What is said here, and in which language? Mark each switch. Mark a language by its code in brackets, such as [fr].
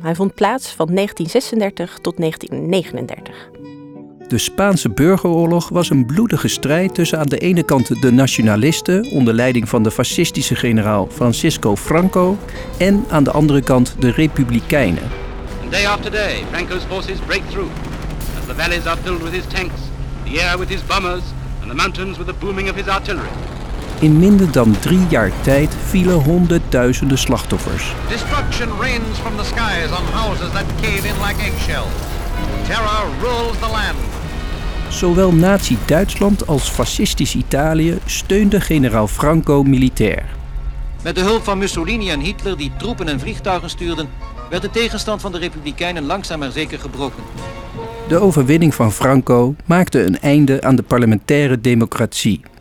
[nl] Hij vond plaats van 1936 tot 1939. De Spaanse Burgeroorlog was een bloedige strijd tussen aan de ene kant de nationalisten, onder leiding van de fascistische generaal Francisco Franco, en aan de andere kant de republikeinen. [en] Day after day, Franco's forces break through. The valleys are filled with his tanks, the air with his bombers, and the mountains with the booming of his artillery. [nl] In minder dan 3 jaar tijd vielen honderdduizenden slachtoffers. [en] Destruction rains from the skies on houses that cave in like eggshells. Terror rules the land. [nl] Zowel Nazi-Duitsland als fascistisch Italië steunde generaal Franco militair. Met de hulp van Mussolini en Hitler die troepen en vliegtuigen stuurden, werd de tegenstand van de republikeinen langzaam maar zeker gebroken. De overwinning van Franco maakte een einde aan de parlementaire democratie.